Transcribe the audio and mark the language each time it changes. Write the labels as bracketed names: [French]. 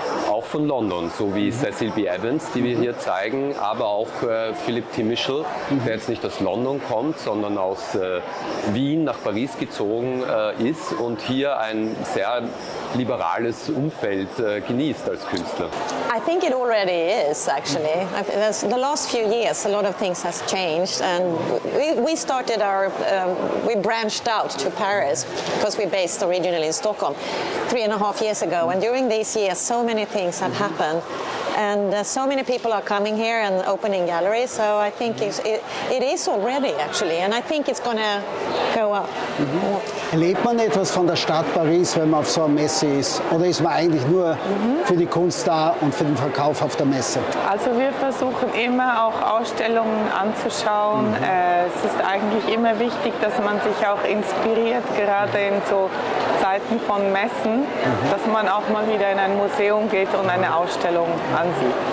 [German] Auch von London, so wie Cecil B. Evans, die wir hier zeigen, aber auch Philipp Timmischl, der jetzt nicht aus London kommt, sondern aus Wien nach Paris gezogen ist und hier ein sehr liberales Umfeld genießt als Künstler. [English] I think it already is, actually. The last few years, a lot of things has changed. And we started we branched out to Paris, because we're based originally in Stockholm, 3.5 years ago. And during these years, so many things have happened. And so many people are coming here and opening galleries. So I think it is already, actually. And I think it's going to go up. [German] Erlebt man etwas von der Stadt Paris, wenn man auf so einer Messe ist? Oder ist man eigentlich nur für die Kunst da und für den Verkauf auf der Messe? Also wir versuchen immer auch Ausstellungen anzuschauen. Es ist eigentlich immer wichtig, dass man sich auch inspiriert, gerade in so Zeiten von Messen, dass man auch mal wieder in ein Museum geht und eine Ausstellung ansieht.